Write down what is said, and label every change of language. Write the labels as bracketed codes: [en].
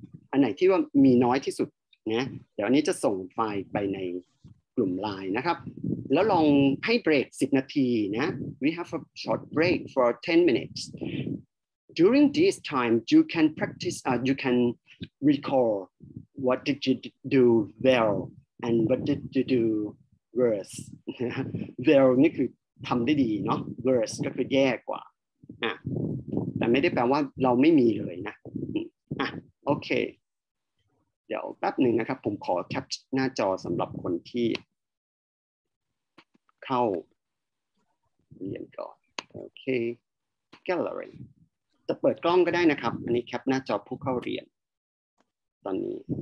[th] อันไหนที่ว่ามีน้อยที่สุดนะเดี๋ยวอันนี้จะส่งไฟล์ไปในกลุ่มไลน์นะครับแล้วลองให้เบรก10นาทีนะ [en] We have a short break for 10 minutes. During this time, you can practice, you can recall what did you do well and what did you do worse. [th] well นี่คือทำได้ดีเนาะ Worse ก็คือแย่กว่าแต่ไม่ได้แปลว่าเราไม่มีเลยนะอ่ะโอเคเดี๋ยวแป๊บหนึ่งนะครับผมขอแคปหน้าจอสำหรับคนที่เข้าเรียนก่อนโอเค gallery จะเปิดกล้องก็ได้นะครับอันนี้แคปหน้าจอผู้เข้าเรียนตอนนี้